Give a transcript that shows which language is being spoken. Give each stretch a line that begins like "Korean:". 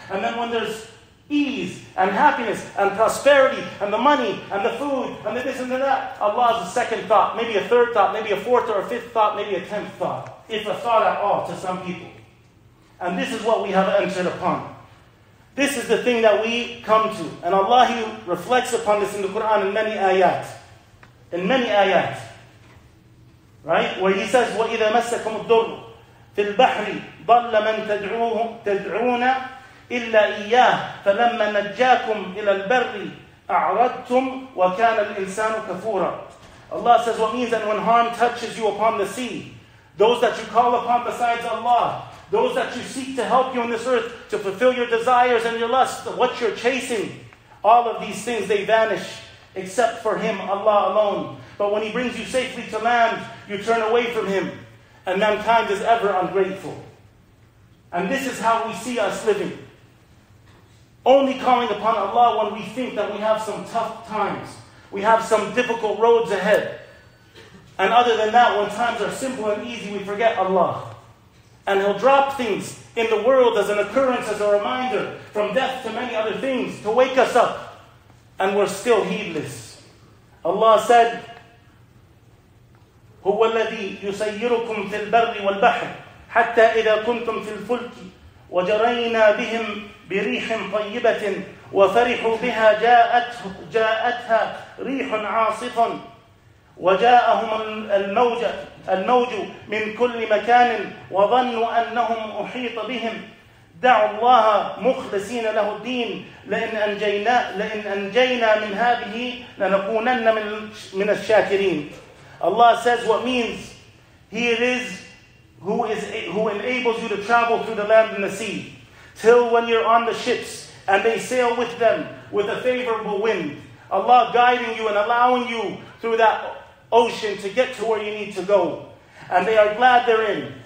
English: And then when there's ease and happiness and prosperity and the money and the food and the this and the that, Allah is a second thought, maybe a third thought, maybe a fourth or a fifth thought, maybe a tenth thought, if a thought at all to some people. And this is what we have entered upon. This is the thing that we come to. And Allah, He reflects upon this in the Quran in many ayat. In many ayat. Right? Where He says,
Arabic: وَإِذَا مَسَّكُمُ الضُّرُّ فِي الْبَحْرِ ضَلَّ مَنْ تَدْعُونَ إِلَّا إِيَّاهُ فَلَمَّا نَجَّاكُمْ إِلَى الْبَرِّ أَعْرَضْتُمْ وَكَانَ الْإِنسَانُ كَفُورًا.
English: Allah says, what means that when harm touches you upon the sea, those that you call upon besides Allah, those that you seek to help you on this earth to fulfill your desires and your lusts, what you're chasing, all of these things, they vanish except for Him, Allah alone. But when He brings you safely to land, you turn away from Him. And mankind is ever ungrateful. And this is how we see us living. Only calling upon Allah when we think that we have some tough times. We have some difficult roads ahead. And other than that, when times are simple and easy, we forget Allah. And He'll drop things in the world as an occurrence, as a reminder, from death to many other things, to wake us up. And we're still heedless. Allah said,
Arabic: هُوَ الَّذِي يُسَيِّرُكُمْ فِي الْبَرِّ وَالْبَحْرِ حَتَّى إِذَا كُنْتُمْ فِي الْفُلْكِ وَجَرَيْنَا بِهِمْ بِرِيحٍ طَيِّبَةٍ وَفَرِحُوا بِهَا جَاءَتْهَا رِيحٌ عَاصِفٌ وجاءهم الموج من كل مكان وظنوا أنهم أحيط بهم دعوا الله مخلصين له الدين لئن أنجينا من هذه لنكونن من الشاكرين.
English: Allah says, what means He it is who enables you to travel through the land and the sea till when you're on the ships and they sail with them with a favorable wind, Allah guiding you and allowing you through that ocean to get to where you need to go, and they are glad therein.